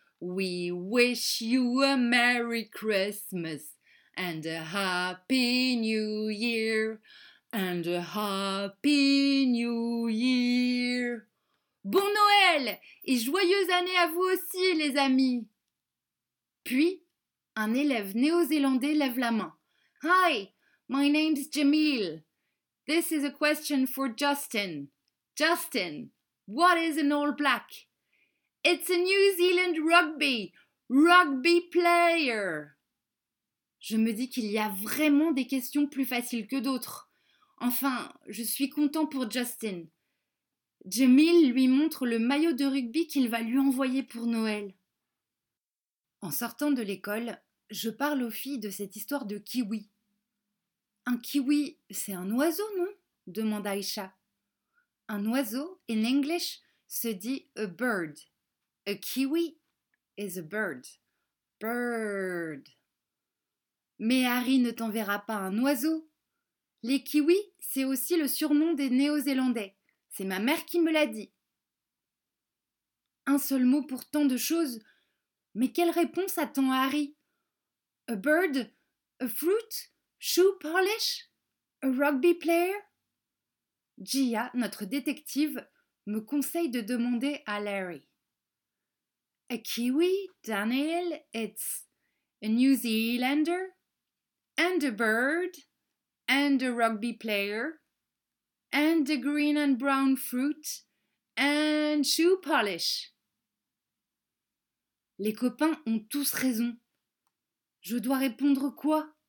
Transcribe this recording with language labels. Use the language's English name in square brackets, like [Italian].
[English] We wish you a Merry Christmas and a Happy New Year and a Happy New Year. [French] Bon Noël et joyeuse année à vous aussi, les amis. Puis, un élève néo-zélandais lève la main. [English] Hi, my name's Jamil. This is a question for Justin. Justin, what is an All Black? It's a New Zealand rugby player. [French] Je me dis qu'il y a vraiment des questions plus faciles que d'autres. Enfin, je suis content pour Justin. Jamil lui montre le maillot de rugby qu'il va lui envoyer pour Noël. En sortant de l'école, je parle aux filles de cette histoire de kiwi. Un kiwi, c'est un oiseau, non? Demande Aisha. Un oiseau, [English] in English, [French] se dit [English] a bird. A kiwi is a bird. Bird. [French] Mais Harry ne t'enverra pas un oiseau. Les kiwis, c'est aussi le surnom des Néo-Zélandais. C'est ma mère qui me l'a dit. Un seul mot pour tant de choses. Mais quelle réponse attend Harry? [English] A bird? A fruit? Shoe polish? A rugby player? [French] Gia, notre détective, me conseille de demander à Larry. [English] A kiwi, Daniel, it's a New Zealander, and a bird, and a rugby player, and a green and brown fruit, and shoe polish. [French] Les copains ont tous raison. Je dois répondre quoi ?